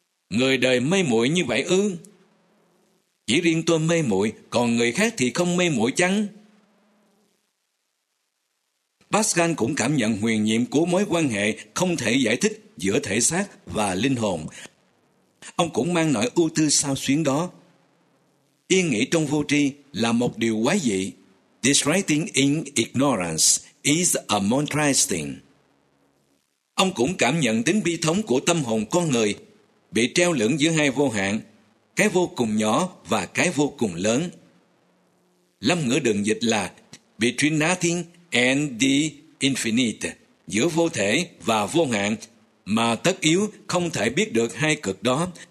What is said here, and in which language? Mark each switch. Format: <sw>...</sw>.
<vi>Người đời mê muội như vậy ư? Chỉ riêng tôi mê muội, còn người khác thì không mê muội chăng? Pascal cũng cảm nhận huyền nhiệm của mối quan hệ không thể giải thích giữa thể xác và linh hồn. Ông cũng mang nỗi ưu tư xao xuyến đó. Yên nghỉ trong vô tri là một điều quái dị.</vi> <en>Disrighting in ignorance is a monstrosity.</en> <vi>Ông cũng cảm nhận tính bi thống của tâm hồn con người bị treo lưỡng giữa hai vô hạn, cái vô cùng nhỏ và cái vô cùng lớn. Lâm ngữ đường dịch là</vi> <en>between nothing and the infinite,</en> <vi>giữa vô thể và vô hạn, mà tất yếu không thể biết được hai cực đó.</vi>